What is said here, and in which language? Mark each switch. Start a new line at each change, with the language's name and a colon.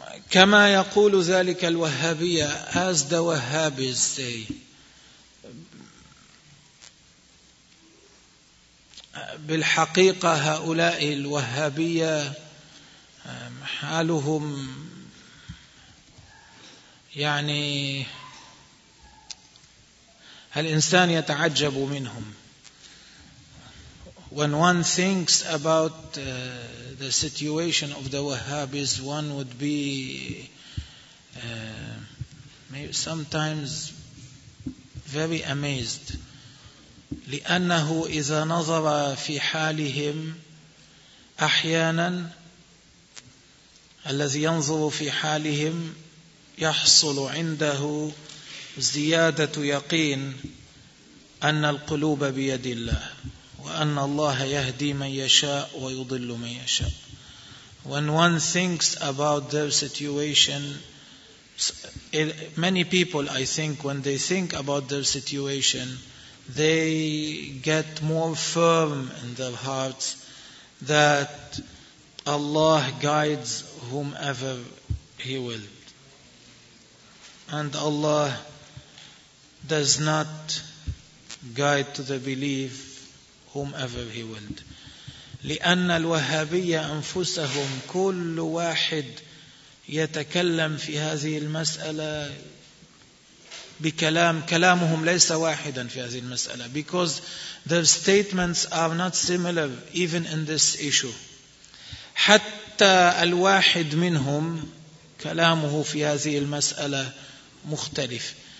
Arabic: كما يقول ذلك الوهابية,
English: as the Wahhabis say,
Arabic: بالحقيقة هؤلاء الوهابية حالهم يعني الإنسان يتعجب منهم.
English: When one thinks about the situation of the Wahhabis, one would be maybe sometimes very amazed.
Arabic: لأنه إذا نظر في حالهم أحيانا الذي ينظر في حالهم يحصل عنده زيادة يقين أن القلوب بيد الله. وأن الله يهدي من يشاء ويضل من يشاء.
English: When one thinks about their situation, many people, I think, when they think about their situation, they get more firm in their hearts that Allah guides whomever He will. And Allah does not guide to the belief whomever He willed.
Arabic: لأن الوهابية أنفسهم كل واحد يتكلم في هذه المسألة بكلام, كلامهم ليس واحدا في هذه المسألة.
English: Because their statements are not similar even in this issue.
Arabic: حتى الواحد منهم كلامه في هذه المسألة مختلف.